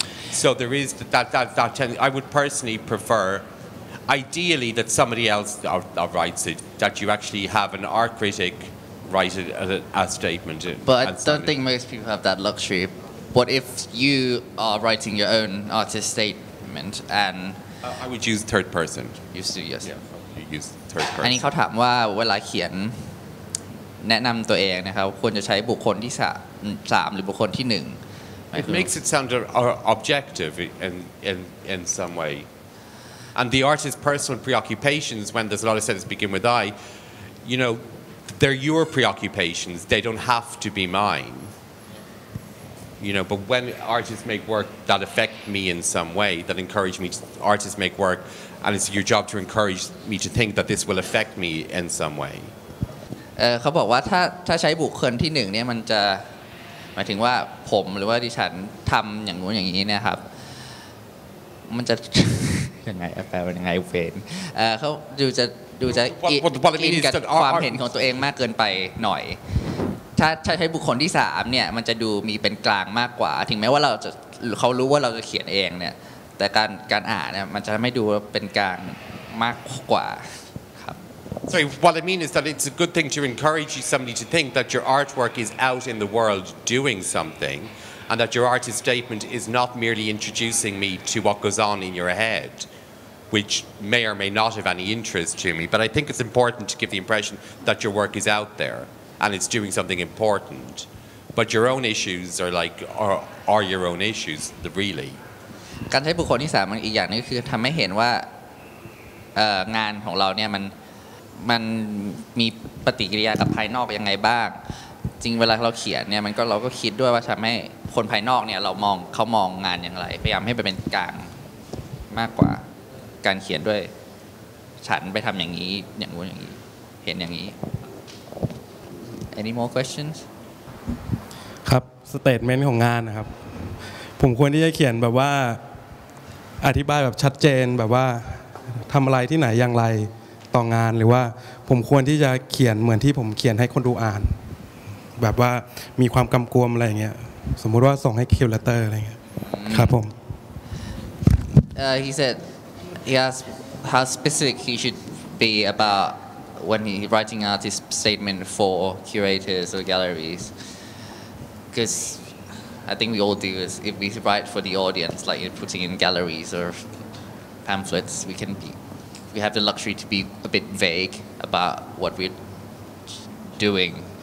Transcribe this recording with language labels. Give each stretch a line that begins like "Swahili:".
English: So there is that I would personally prefer, ideally, that somebody else writes it, that you actually have an art critic write a statement. But I don't think most people have that luxury. What if you are writing your own artist statement? And I would use third person. You see, yes. Yeah, you use third person.
Thai: อันนี้เขาถามว่าเวลาเขียนแนะนำตัวเองนะครับควรจะใช้บุคคลที่3หรือบุคคลที่1
English: It makes it sound objective in some way. And the artist's personal preoccupations, when there's a lot of sentences begin with I, you know, they're your preoccupations. They don't have to be mine. You know, but when artists make work that affect me in some way, that encourage me, artists make work, and it's your job to encourage me to think that this will affect me in some way.
Thai: เขาบอกว่าถ้าใช้บุคคลที่หนึ่งเนี่ยมันจะหมายถึงว่าผมหรือว่าดิฉันทำอย่างนู้นอย่างนี้เนี่ยครับมันจะยังไงแปลว่ายังไงเฟนเขาดูจะ กิน กับความเห็นของตัวเองมากเกินไปหน่อยถ้าใช้บุคคลที่3เนี่ยมันจะดูมีเป็นกลางมากกว่าถึงแม้ว่าเราจะเขารู้ว่าเราจะเขียนเองเนี่ยแต่การอ่านเนี่ยมันจะทำให้ดูเป็นกลางมากกว่าครับ
English: Sorry, what I mean is that it's a good thing to encourage somebody to think that your artwork is out in the world doing something and that your artist statement is not merely introducing me to what goes on in your head. Which may or may not have any interest to me, but I think it's important to give the impression that your work is out there and it's doing something important. But your own issues are your own issues, really.
Thai: การใช้บุคคลที่สามอีกอย่างนึงคือทำให้เห็นว่า งานของเราเนี่ยมันมีปฏิกิริยากับภายนอกยังไงบ้างจริงเวลาเราเขียนเนี่ยมันก็เราก็คิดด้วยว่าทำให้คนภายนอกเนี่ยเขามองงานอย่างไรพยายามให้มันเป็นกลางมากกว่าการเขียนด้วยฉันไปทำอย่างนี้อย่างนู้นอย่างนี้เห็นอย่างนี้
English: Any more questions
Thai: ครับ statement ของงานนะครับผมควรที่จะเขียนแบบว่าอธิบายแบบชัดเจนแบบว่าทำอะไรที่ไหนอย่างไรต่องานหรือว่าผมควรที่จะเขียนเหมือนที่ผมเขียนให้คนดูอ่านแบบว่ามีความกำกวมอะไรอย่างเงี้ยสมมุติว่าส่งให้ curator อะไรอย่างเงี้ยครับผม
English: he saidHe asked how specific he should be about when he writing out his statement for curators or galleries. Because I think we all do is if we write for the audience, like you're putting in galleries or pamphlets, we have the luxury to be a bit vague about what we're doing.